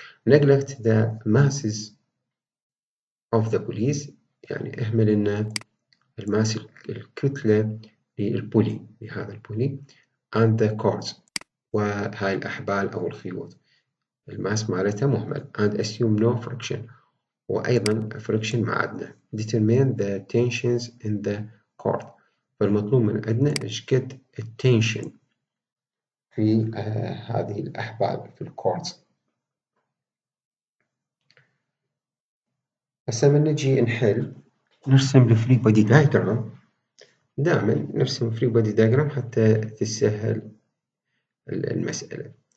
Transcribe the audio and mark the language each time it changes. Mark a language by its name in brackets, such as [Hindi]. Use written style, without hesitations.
[English] Neglect the masses of the pulleys، [Arabic] يعني اهمل ان الماس الكتلة للبولي لهذا البولي. [English] And the cords، [Arabic] وهاي الأحبال أو الخيوط الماس مالتها مهمل. [English] And assume no friction، وأيضا friction ما عندنا. Determine the tensions in the cord، [Arabic] فالمطلوب من عندنا ايش قد التنشن في هذه الأحبال في الكورتز. هسه من نجي نحل نرسم الفري بودي دايجرام، دائما نرسم فري بودي دايجرام حتى تسهل المسألة.